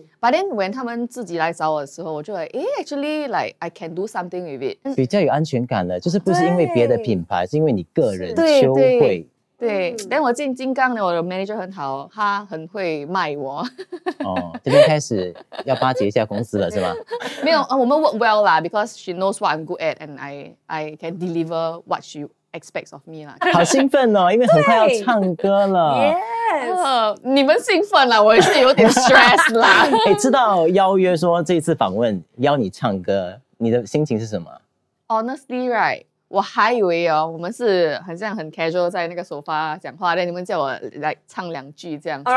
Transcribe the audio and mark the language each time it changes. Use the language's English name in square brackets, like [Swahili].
[English] But then when [Chinese] 他们自己来找我的时候，我就 [English] actually like I can do something with it， [Chinese] 比较有安全感了，就是不是因为别的品牌，是因为你个人秋慧。对，但我进金刚呢，我的 manager 很好，他很会卖我。哦，这边开始要巴结一下公司了，是吗？没有，我们 [English] work well 啦 ，because she knows what I'm good at and I can deliver what she expects of me 啦。 [Chinese] 好兴奋哦，因为很快要唱歌了。 [English] Yes， [Chinese] 你们兴奋啦，我也是有点 stress 啦。哎，知道邀约说这次访问邀你唱歌，你的心情是什么 [English] ？Honestly, right. [Chinese] 我还以为哦，我们是很像很 casual 在那个沙发讲话，但你们叫我来唱两句这样子、